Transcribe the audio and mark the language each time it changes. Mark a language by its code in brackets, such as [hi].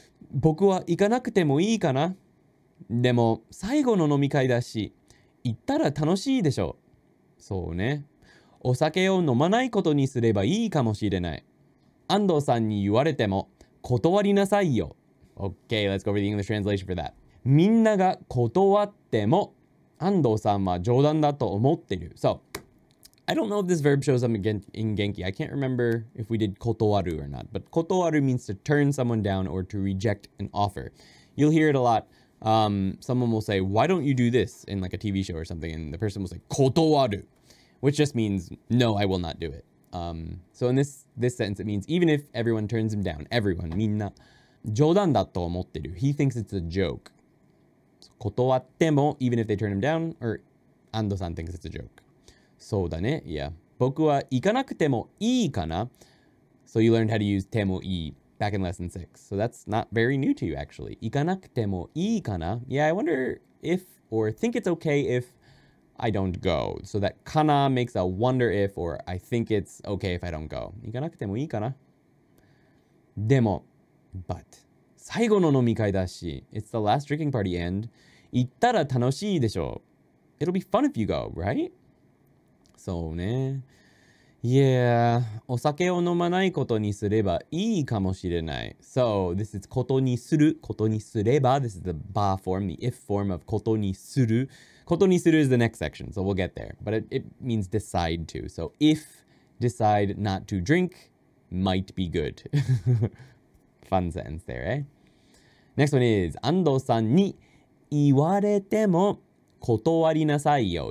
[ja] 僕は行かなくてもいいかな。でも最後の飲み会だし、行ったら楽しいでしょう。そうね。お酒を飲まないことにすればいいかもしれない。安藤さんに言われても断りなさいよ。 [en] Okay, let's go over the English translation for that. [ja] みんなが断っても安藤さんは冗談だと思っている。 [en] So, I don't know if this verb shows up in Genki. I can't remember if we did 断る or not. But 断る means to turn someone down or to reject an offer. You'll hear it a lot. Someone will say, why don't you do this in like a TV show or something? And the person will say, 断る。Which just means, no, I will not do it. So in this sentence, it means even if everyone turns him down, everyone, みんな、 [ja] 冗談だと思ってる。 [en] He thinks it's a joke. So 断っても, even if they turn him down, or 安藤さん thinks it's a joke. [ja] そうだね、yeah. 僕は行かなくてもいいかな? [en] So you learned how to use てもいい back in lesson 6. So that's not very new to you, actually. [ja] 行かなくてもいいかな? [en] Yeah, I wonder if, or think it's okay if,I don't go. So that kana makes a wonder if or I think it's okay if I don't go. [ja] 行かなくてもいいかな? でも, [en] but, [ja] 最後の飲み会だし, [en] it's the last drinking party and, [ja] 行ったら楽しいでしょ? [en] It'll be fun if you go, right? [ja] そうね。 Yeah, お酒を飲まないことにすればいいかもしれない。 [en] So, this is ことにする, ことにすれば, this is the ba form, the if form of ことにする。ことにする is the next section, so we'll get there. But it means decide to. So if decide not to drink, might be good. Fun sentence there, eh? Next one is, [ja] 安藤さんに言われても断りなさいよ.